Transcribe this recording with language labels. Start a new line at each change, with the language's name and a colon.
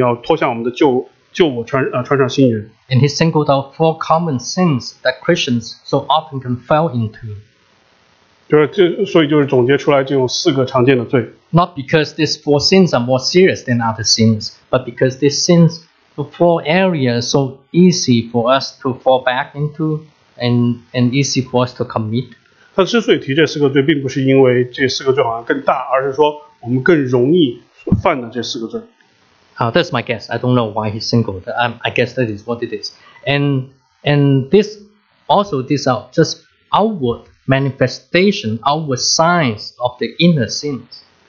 Chinese: 在以弗所书五章之前呢，还是以弗所书四章，保罗就提到了四种这种常见的这种罪，提醒我们要脱下我们的旧我，穿上新人。
English: And he singled out four common sins that Christians so often can fall into.
Chinese: 所以就是总结出来这种四个常见的罪。
English: Not because these four sins are more serious than other sins, but because these sins, the four areas, so easy for us to fall back into. And easy for us to commit.
Chinese: 他之所以提这四个罪，并不是因为这四个罪好像更大，而是说我们更容易犯的这四个罪。
English: That's my guess. I don't know why he singled. I guess that is what it is. And this also these are just outward manifestation, outward signs of the inner sins.